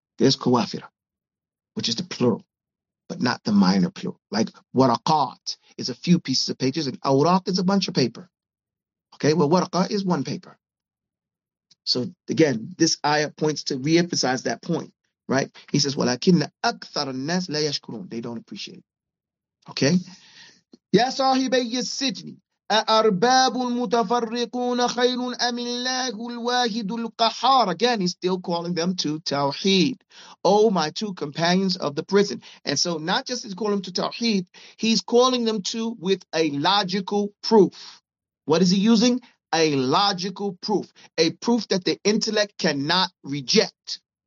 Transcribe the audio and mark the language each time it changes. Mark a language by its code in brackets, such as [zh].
[en] There's kuwafira, which is the plural, but not the minor plural. Like waraqat is a few pieces of pages, and awraq is a bunch of paper. Okay, well, waraqa is one paper. So again, this ayah points to reemphasize that point, right? He says, [ar] وَلَكِنَّ أَكْثَرَ النَّاسِ لَا يَشْكُرُونَ. [en] They don't appreciate it. Okay? [ar] يَا صَاحِبَيِّ السِّجْنِ أأرباب المتفرقون خير أم الله الواحد القهار. [en] Again, he's still calling them to Tawheed. Oh, my two companions of the prison. And so not just is calling them to Tawheed, he's calling them to with a logical proof. What is he using? A logical proof. A proof that the intellect cannot reject.